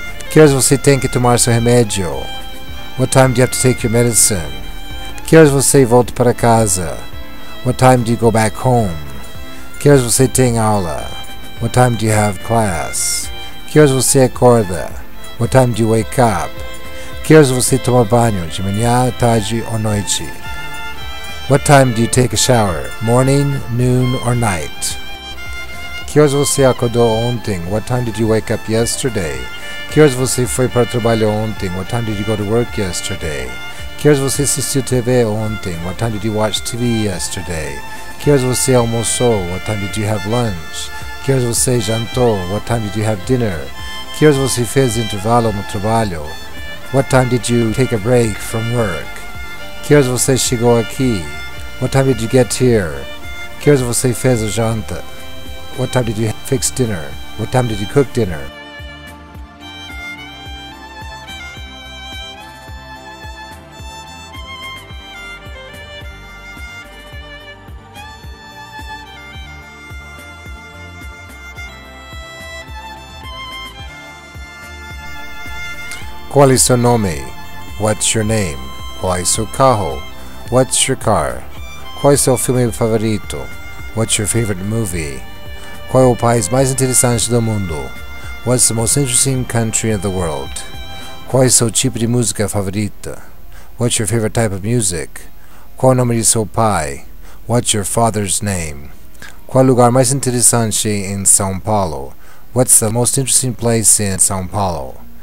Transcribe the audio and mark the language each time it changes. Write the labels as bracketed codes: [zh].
[pt] Que horas você tem que tomar seu remédio? [en] What time do you have to take your medicine? [pt] Que horas você volta para casa? [en] What time do you go back home? [pt] Que horas você tem aula? [en] What time do you have class? [pt] Que horas você acorda? [en] What time do you wake up? [pt] Que horas você toma banho, de manhã, tarde ou noite? [en] What time do you take a shower? Morning, noon or night? [pt] Que horas você acordou ontem? [en] What time did you wake up yesterday? [pt] Que horas você foi para o trabalho ontem? [en] What time did you go to work yesterday? [pt] Que horas você assistiu TV ontem? [en] What time did you watch TV yesterday? [pt] Que horas você almoçou? [en] What time did you have lunch? [pt] Que horas você jantou? [en] What time did you have dinner? [pt] Que horas você fez intervalo no trabalho? [en] What time did you take a break from work? [pt] Que horas você chegou aqui? [en] What time did you get here? [pt] Que horas você fez a janta? [en] What time did you fix dinner? What time did you cook dinner? [pt] Qual é seu nome? [en] What's your name? [pt] Qual é seu carro? [en] What's your car? [pt] Qual é seu filme favorito? [en] What's your favorite movie? [pt] Qual é o país mais interessante do mundo? [en] What's the most interesting country in the world? [pt] Qual é seu tipo de música favorita? [en] What's your favorite type of music? [pt] Qual é o nome de seu pai? [en] What's your father's name? [pt] Qual é o lugar mais interessante em São Paulo? [en] What's the most interesting place in São Paulo?